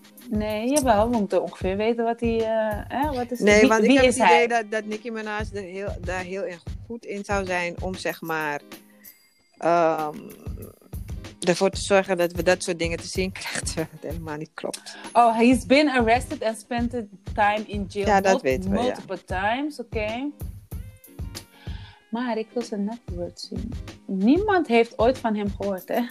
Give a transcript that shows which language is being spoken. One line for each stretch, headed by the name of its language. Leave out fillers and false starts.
Dutch: Nee, jawel, we moeten ongeveer weten wat hij... Ik heb het idee dat Nicki Minaj daar heel goed in zou zijn om, zeg maar, ervoor te zorgen dat we dat soort dingen te zien krijgen, terwijl het helemaal niet klopt.
English: Oh, he's been arrested and spent the time in jail.
Dutch: Ja, dat weten we,
English: multiple times, oké.
Dutch: Maar ik wil zijn net woord zien. Niemand heeft ooit van hem gehoord, hè.